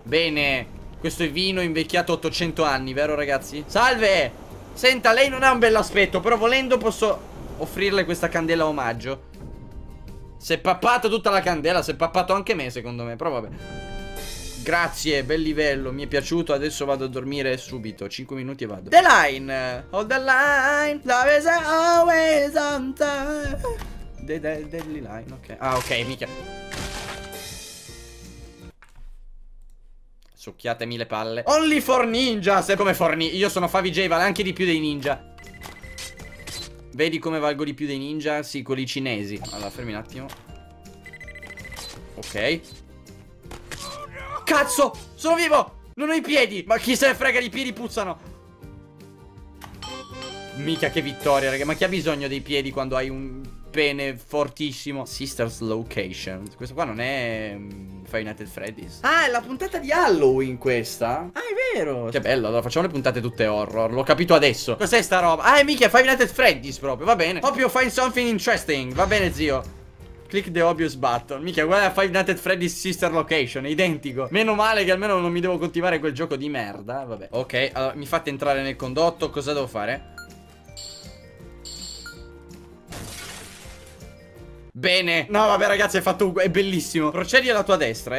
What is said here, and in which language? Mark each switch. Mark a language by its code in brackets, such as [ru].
[it] Bene, questo è vino invecchiato 800 anni, vero ragazzi? Salve! Senta, lei non ha un bel aspetto, però volendo posso offrirle questa candela omaggio. Si è pappata tutta la candela, si è pappato anche me secondo me, però vabbè. Grazie, bel livello, mi è piaciuto. Adesso vado a dormire subito, 5 minuti e vado. [en] The line, hold the line, love is always on time. The deadly line, ok. [it] Ah ok, mica. Succhiatemi le palle. [en] Only for ninjas, [it] è come [en] for ninjas. [it] Io sono FaviJ, vale anche di più dei ninja. Vedi come valgo di più dei ninja? Sì, quelli cinesi. Allora, fermi un attimo. Ok. Cazzo, sono vivo. Non ho i piedi. Ma chi se ne frega, i piedi puzzano. Mica che vittoria, raga. Ma chi ha bisogno dei piedi quando hai un pene fortissimo? Sister's location. Questo qua non è Five Nights at Freddy's. Ah, è la puntata di Halloween questa. Ah, è vero. Che bello, allora facciamo le puntate tutte horror. L'ho capito adesso. Cos'è sta roba? Ah, è mica Five Nights at Freddy's proprio. Va bene. [en] Hope you find something interesting. [it] Va bene, zio. [en] Click the obvious button. [it] Mica, guarda, Five Nights at Freddy's Sister Location. È identico. Meno male che almeno non mi devo coltivare quel gioco di merda. Vabbè. Ok, allora mi fate entrare nel condotto. Cosa devo fare? Bene. No, vabbè, ragazzi, hai fatto. È bellissimo. Procedi alla tua destra.